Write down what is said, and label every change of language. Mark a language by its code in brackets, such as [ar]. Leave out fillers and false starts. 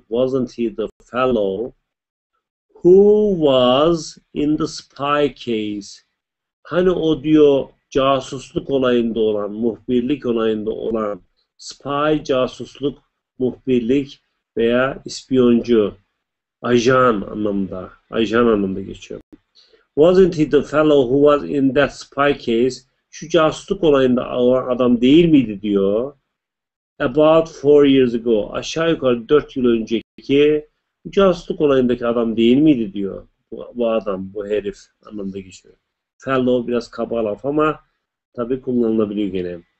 [en] Wasn't he the fellow. Who was in the spy case? [tr] Hani o diyor casusluk olayında olan, muhbirlik olayında olan spy, casusluk, muhbirlik veya ispiyoncu, ajan anlamında geçiyor. [en] Wasn't he the fellow who was in that spy case? [tr] Şu casusluk olayında olan adam değil miydi diyor. [en] About 4 years ago, [tr] aşağı yukarı 4 yıl önceki casusluk olayındaki adam değil miydi diyor. Bu adam, bu herif anlamında geçiyor. Fellow biraz kaba laf ama tabii kullanılabiliyor gene.